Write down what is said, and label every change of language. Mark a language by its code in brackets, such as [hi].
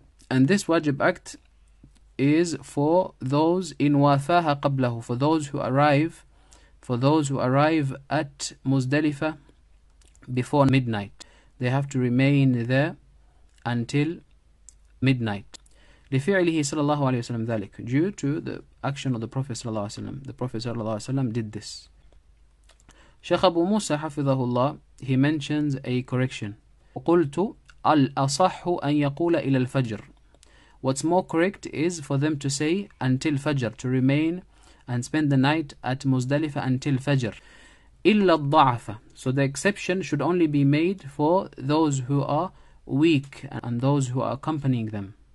[en] And this wajib act is for those in wafaha qablahu, for those who arrive at Muzdalifa before midnight. They have to remain there until midnight. [ar] لفعله صلى الله عليه وسلم ذلك, [en] due to the action of the Prophet صلى الله عليه وسلم. The Prophet صلى الله عليه وسلم did this. [ar] شيخ أبو موسى حفظه الله, [en] he mentions a correction. [ar] قلت الأصح أن يقول إلى الفجر. [en] What's more correct is for them to say until Fajr, to remain and spend the night at Muzdalifa until Fajr. [ar] إِلَّا الضَّعْفَ. [en] So the exception should only be made for those who are weak and those who are accompanying them.